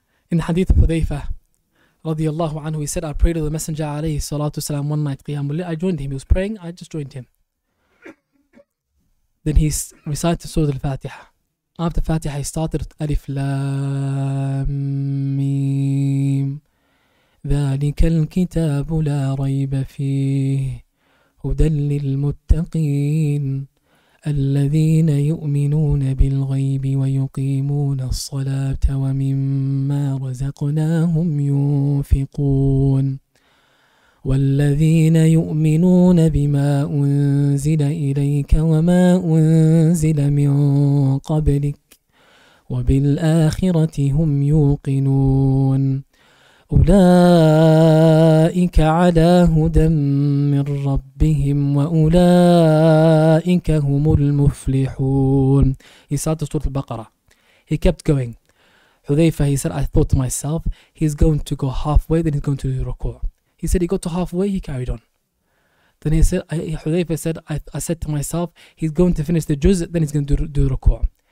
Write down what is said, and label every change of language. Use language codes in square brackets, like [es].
[en] In Hadith of Hudhayfah radiallahu anhu, he said, I prayed to the Messenger alayhi salatu wasalam one night, Qiyamul Layl. I joined him, he was praying, I just joined him. Then he recited the Surah Al-Fatiha. After Fatiha, he started with Alif Lam Mim. [ar] ذلك الكتاب لا ريب فيه هدى للمتقين الذين يؤمنون بالغيب ويقيمون الصلاة ومما رزقناهم ينفقون والذين يؤمنون بما أنزل إليك وما أنزل من قبلك وبالآخرة هم يوقنون أولئك على هدى من ربهم وأولئك هم المفلحون. [en] He started to Surah Al-Baqarah. He kept going. Hudhayfa, he said, I thought to myself, he's going to go halfway, then he's going to do ruku'. He said, he got to halfway, he carried on. Then he said, Hudhayfa said, I said to myself, he's going to finish the juz, then he's going to do ruku'.